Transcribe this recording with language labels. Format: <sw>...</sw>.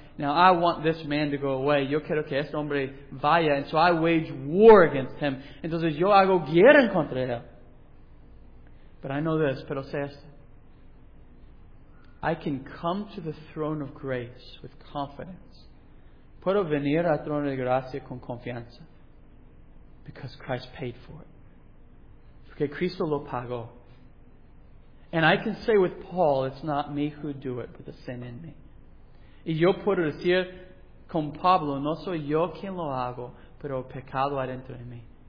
<en>Now, I want this man to go away.</en> <es>Yo quiero que este hombre vaya.</es> <en>And so I wage war against him.</en> <es>Entonces yo hago guerra contra él.</es> <en>But I know this.</en> <es>Pero sé esto.</es> <en>I can come to the throne of grace with confidence.</en> <es>Puedo venir al trono de gracia con confianza.</es> <en>Because Christ paid for it.</en> <es>Porque Cristo lo pagó.</es> <en>And I can say with Paul, it's not me who do it, but the sin in me.</en> <es>Y yo puedo decir con Pablo, no soy yo quien lo hago, pero el pecado adentro de mí.</es>